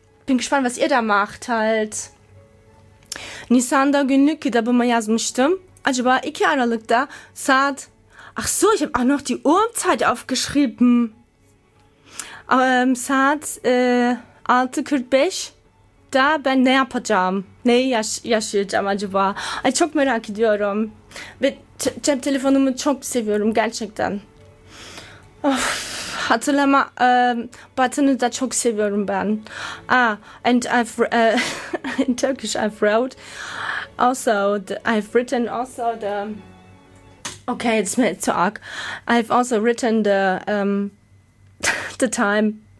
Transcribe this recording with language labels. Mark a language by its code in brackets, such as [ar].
[de] Bin gespannt, was ihr da macht halt. [tr] Nisan'da günlük kitabımı yazmıştım. Acaba 2 Aralık'ta saat... [de] Ach so, ich habe auch noch die Uhrzeit aufgeschrieben. [tr] Saat 6.45. Da ben ne yapacağım? Neyi yaşayacağım acaba? Ay çok merak ediyorum. Ve cep telefonumu çok seviyorum gerçekten. Of, hatırlama button'ı da çok seviyorum ben. [en] Ah, and I've in Turkish I've wrote also the, I've written also the. Okay, it's [de] mir zu arg. [en] I've also written the the time.